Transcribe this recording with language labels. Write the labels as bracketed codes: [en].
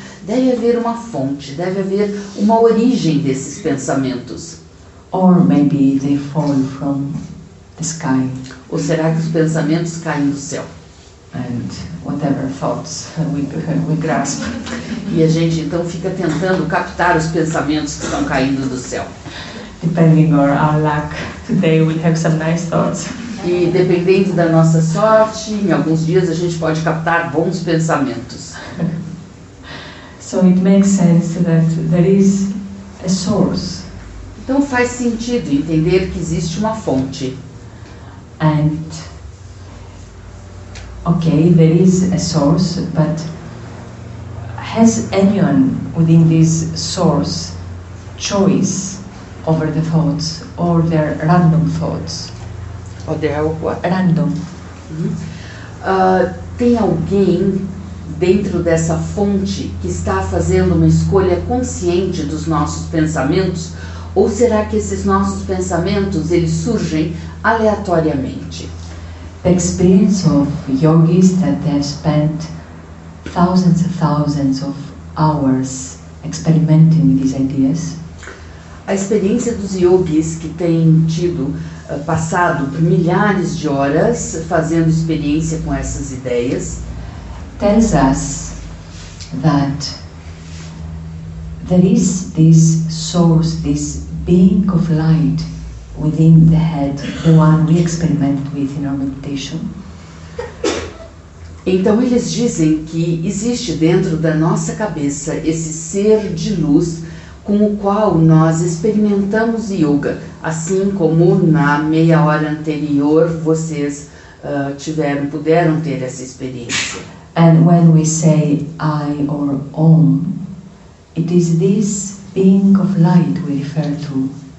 [pt] Deve haver uma fonte, deve haver uma origem desses pensamentos. [en] Or maybe they fall from the sky. [pt] Ou será que os pensamentos caem do céu? [en] And whatever thoughts we grasp. [pt] E a gente então fica tentando captar os pensamentos que estão caindo do céu. [en] Depending on our luck, today we'll have some nice thoughts. [pt] E dependendo da nossa sorte, em alguns dias a gente pode captar bons pensamentos. [en] So it makes sense that there is a source. [pt] Então faz sentido entender que existe uma fonte. [en] And okay, there is a source, but has anyone within this source choice over the thoughts or their random thoughts? Or their what? Random. [pt] Tem alguém dentro dessa fonte que está fazendo uma escolha consciente dos nossos pensamentos, ou será que esses nossos pensamentos eles surgem aleatoriamente? [en] The experience of yogis that have spent thousands and thousands of hours experimenting with these ideas. [pt] a experiência dos yogis que têm tido, passado por milhares de horas fazendo experiência com essas ideias, [en] tells us that there is this source, this being of light within the head, the one we experiment with in our meditation. [pt] Então eles dizem que existe dentro da nossa cabeça esse ser de luz com o qual nós experimentamos yoga, assim como na meia hora anterior vocês puderam ter essa experiência. [en] And when we say I or Om, it is this being of light we refer to.